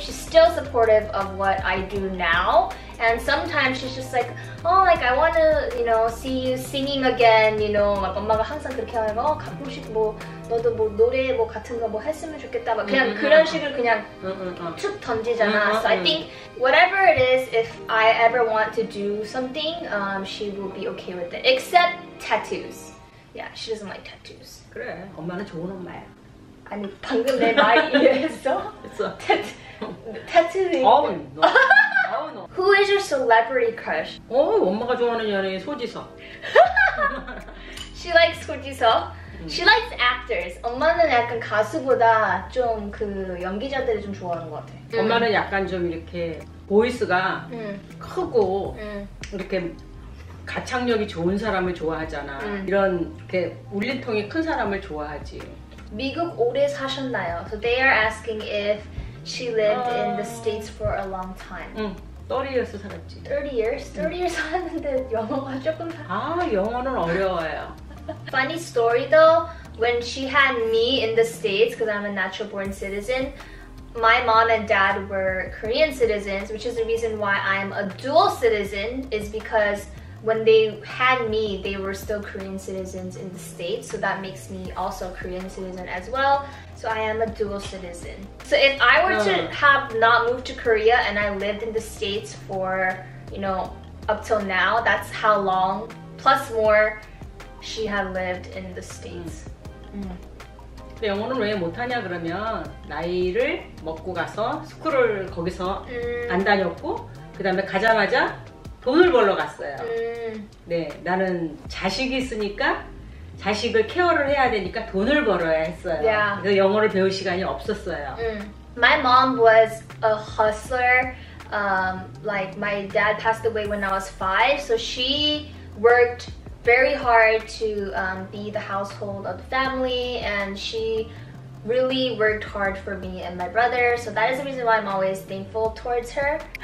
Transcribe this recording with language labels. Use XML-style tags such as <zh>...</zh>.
<en>She's still supportive of what I do now. And sometimes she's just like, oh, like I want to, you know, see you singing again, you know.</en> <ko>Like, 엄마가 항상 그렇게 하면, 어, 가끔씩 뭐 너도 뭐 노래 뭐 같은 거 뭐 했으면 좋겠다. 막 그냥 그런 식으로 그냥 툭 던지잖아.</ko> <en>So I think whatever it is, if I ever want to do something, she will be okay with it. Except tattoos. Yeah, she doesn't like tattoos.</en> <ko>그래, 엄마는 좋은 엄마야. 아니, 방금 내 말 이해했어? 했어. 태트는? 어우, 너.</ko> <en>Who is your celebrity crush?</en> <ko>Oh, 엄마가 좋아하는 연예인 소지섭.</ko> <en>She likes 소지섭. She likes actors.</en> <ko>엄마는 약간 가수보다 좀 그 연기자들을 좀 좋아하는 것 같아. 엄마는 약간 좀 이렇게 보이스가 크고 이렇게 가창력이 좋은 사람을 좋아하잖아. 이런 이렇게 울림통이 큰 사람을 좋아하지. 미국 오래 사셨나요?</ko> <en>So they are asking if she lived in the States for a long time.</en> <ko>30년 살았지.</ko> <en>30 years? 30 years</en> <ko>살았는데 영어가 조금 아, 영어는 어려워요.</ko> <en>Funny story though, when she had me in the States, because I'm a natural born citizen, my mom and dad were Korean citizens, which is the reason why I'm a dual citizen, is because when they had me, they were still Korean citizens in the States, so that makes me also Korean citizen as well. So I am a dual citizen. So if I were to have not moved to Korea and I lived in the States for, you know, up till now, that's how long, plus more, she had lived in the States.</en> <ko>근데 영어는 왜 못하냐 그러면 나이를 먹고 가서 스쿨을 거기서 안 다녔고 그 다음에 가자마자 돈을 벌러 갔어요. 네, 나는 자식이 있으니까 자식을 케어를 해야 되니까 돈을 벌어야 했어요.</ko> <en>Yeah.</en> <ko>그래서 영어를 배울 시간이 없었어요.</ko> <en>My mom was a hustler. Like my dad passed away when I was five, so she worked very hard to be the household of the family, and she really worked hard for me and my brother, so that is the reason why I'm always thankful towards her.</en>